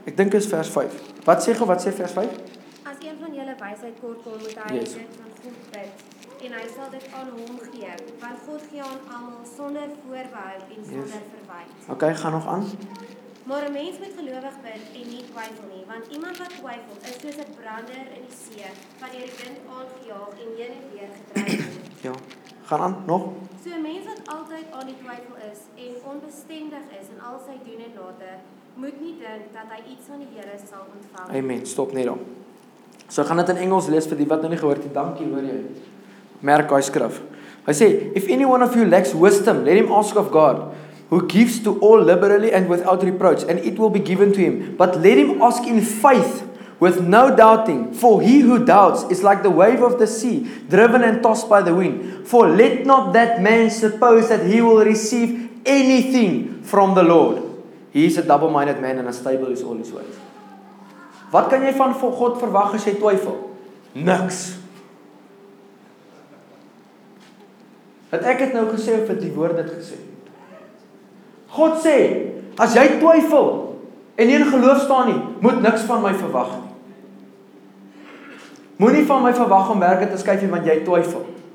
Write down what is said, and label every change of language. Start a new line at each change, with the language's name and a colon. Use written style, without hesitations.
Afrikaans: Ek dink is vers 5. Wat sê vers 5? As een van julle wysheid kortkom, moet hy yes. Van God bid. En hy sal dit aan hom gee. Want God gee aan almal sonder voorbehou en sonder yes. Verwyte. Ok, ga nog aan. Maar een mens moet gelovig bid en nie twyfel nie. Want iemand wat twyfel is soos 'n brander in die see, wanneer die wind aangejaag en heen en weer gedryf. Ja, gaan aan, nog. So een mens wat altyd aan die twyfel is en onbestendig is in al sy doen en late, moet nie dink dat hy iets van die Here sal ontvang. Amen, stop net dan. So gaan dit in Engels lees vir die wat nou nie gehoor het. Dankie, hoor jy. Merk hy skrif.
English: Hy sê, if any one of you lacks wisdom, let him ask of God, who gives to all liberally and without reproach, and it will be given to him. But let him ask in faith, with no doubting, for he who doubts is like the wave of the sea, driven and tossed by the wind. For let not that man suppose that he will receive anything from the Lord. He is a double-minded man and unstable is all his ways.
Afrikaans: Wat kan jy van God verwag as jy twyfel? Niks. Het ek het nou gesê of het die woord het gesê? God sê, as jy twyfel en nie in geloof staan nie, moet niks van my verwag nie. Moet nie van my verwag om werke te skryf nie, want jy twyfel.